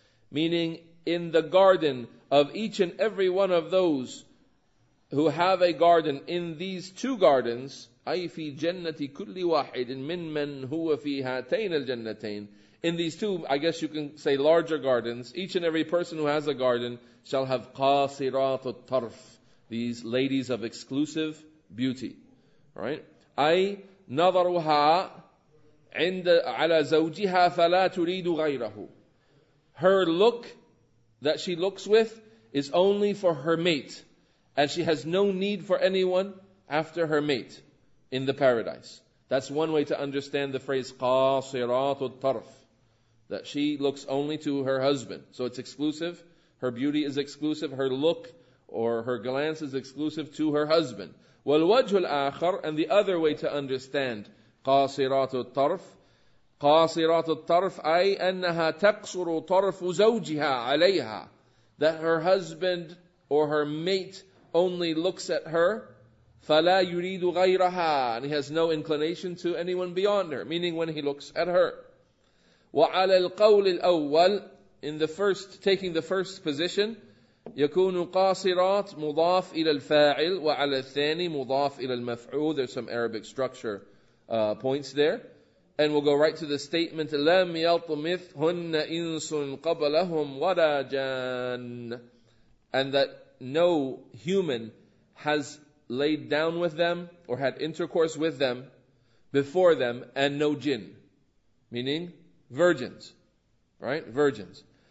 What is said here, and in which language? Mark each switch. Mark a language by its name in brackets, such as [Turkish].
[English] Meaning, in the garden of each and every one of those who have a garden in these two gardens, [Arabic] أَيْ فِي جَنَّةِ كُلِّ وَاحِدٍ مِّنْ مَنْ هُوَ فِي هَاتَيْنَ الْجَنَّتَيْنِ. [English] In these two, I guess you can say larger gardens, each and every person who has a garden shall have قاصرات الطرف, these ladies of exclusive beauty. Right? [Arabic] أي نظرها عند على زوجها فلا تريد غيره. [English] Her look that she looks with is only for her mate, and she has no need for anyone after her mate in the paradise. That's one way to understand the phrase qasirat al-tarf, that she looks only to her husband. So it's exclusive. Her beauty is exclusive. Her look or her glance is exclusive to her husband. [Arabic] والوجه الآخر, [English] and the other way to understand [Arabic] قاصرات الطرف أي أنها تقصر طرف زوجها عليها, [English] that her husband or her mate only looks at her, [Arabic] فلا يريد غيرها, [English] and he has no inclination to anyone beyond her, meaning when he looks at her. [Arabic] وعلى القول الأول, [English] in the first, taking the first position, [Arabic] يكون قاصرات مضاف إلى الفاعل وعلى الثاني مضاف إلى المفعول. [English] There's some Arabic structure points there. And we'll go right to the statement, [Arabic] لَمْ يَطْمِثْهُنَّ إِنْسٌ قَبْلَهُمْ وَلَا جَانٌ, [English] and that no human has laid down with them or had intercourse with them before them, and no jinn, meaning virgins, right? Virgins.